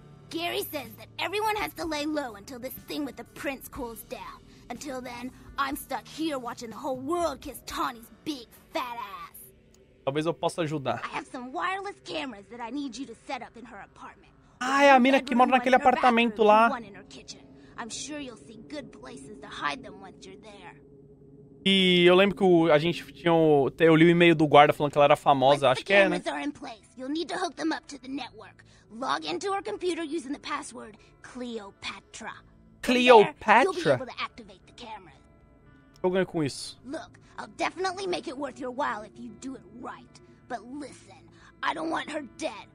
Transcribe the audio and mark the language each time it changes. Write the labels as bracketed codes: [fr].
[en] Gary says that everyone has to lay low until this thing with the prince cools down. Until then, I'm stuck here watching the whole world kiss Tawny's big fat ass. [pt] Talvez eu possa ajudar. [en] I have some wireless cameras that I need you to set up in her apartment. [pt] Ah, é a mina que mora naquele apartamento lá. [en] I'm sure you'll see good places to hide them once you're there. [pt] E eu lembro que a gente tinha eu li o e-mail do guarda falando que ela era famosa, acho que é, né? [en] Once the cameras are in place, you'll need to hook them up to the network. Log into her computer using the password Cleopatra. Cleopatra? You'll be able to activate the cameras. [pt] Eu ganho com isso. [en] Look. I'll definitely make it worth your while if you do it right. But listen, I don't want her dead.